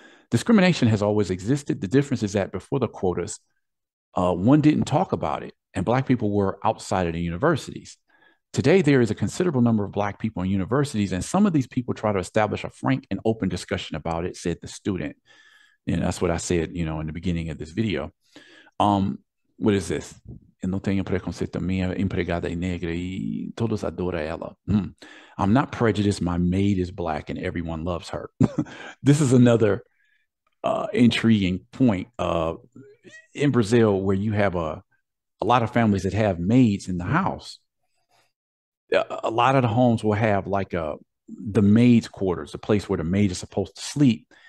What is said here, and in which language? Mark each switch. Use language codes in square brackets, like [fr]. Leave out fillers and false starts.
[en] Discrimination has always existed. The difference is that before the quotas, one didn't talk about it, and Black people were outside of the universities. Today, there is a considerable number of Black people in universities, and some of these people try to establish a frank and open discussion about it, said the student. And that's what I said, you know, in the beginning of this video. What is this? [pt] Eu não tenho preconceito, minha empregada é negra e todos adoram ela. [en] I'm not prejudiced. My maid is Black and everyone loves her. This is another intriguing point in Brazil, where you have a lot of families that have maids in the house. A lot of the homes will have like the maid's quarters, the place where the maid is supposed to sleep.